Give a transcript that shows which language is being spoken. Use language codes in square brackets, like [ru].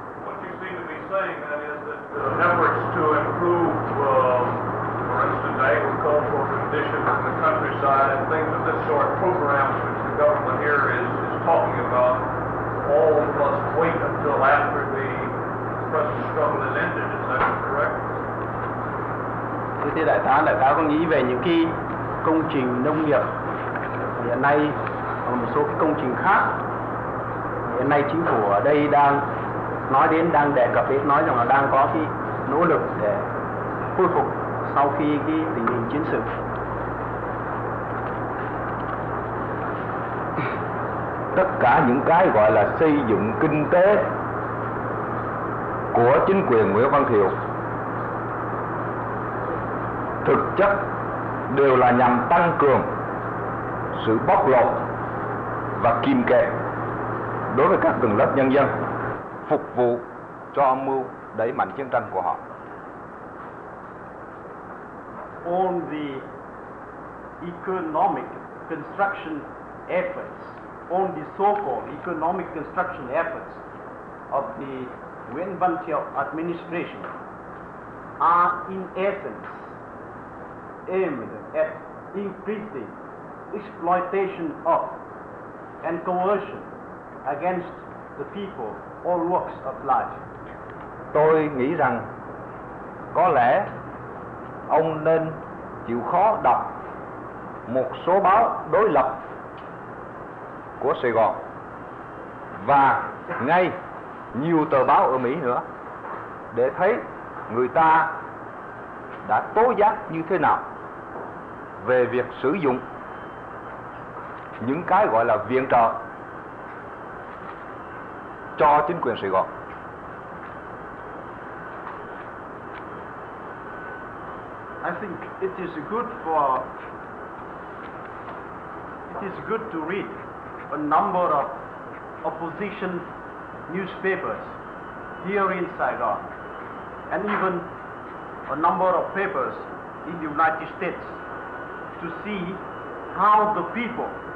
[en] What you seem to be saying then is that the efforts to improve, for instance, agricultural conditions in the countryside and things of this sort, programs which the government here is talking about, all must wait until after the present struggle has ended. Is that correct? [vi] Thưa đại tá có nghĩ về những cái công trình nông nghiệp hiện nay và một số cái công trình khác hiện nay chính phủ ở đây đang nói đến, đang đề cập đến, nói rằng là đang có cái nỗ lực để khôi phục sau khi cái tình hình chiến sự. Tất cả những cái gọi là xây dựng kinh tế của chính quyền Nguyễn Văn Thiệu thực chất đều là nhằm tăng cường sự bóc lột và kìm kẹp đối với các tầng lớp nhân dân, phục vụ cho âm mưu đẩy mạnh chiến tranh của họ. [en] On the economic construction efforts, on the so-called economic construction efforts of the Nguyễn Văn Thiệu administration are in essence aimed at increasing exploitation of and coercion against the people, all walks of life. [vi] Tôi nghĩ rằng có lẽ ông nên chịu khó đọc một số báo đối lập của Sài Gòn và ngay nhiều tờ báo ở Mỹ nữa để thấy người ta đã tố giác như thế nào về việc sử dụng những cái gọi là viện trợ cho chính quyền Sài Gòn. [en] I think it is good for it is good to read a number of opposition newspapers here in Saigon and even a number of papers in the United States to see how the people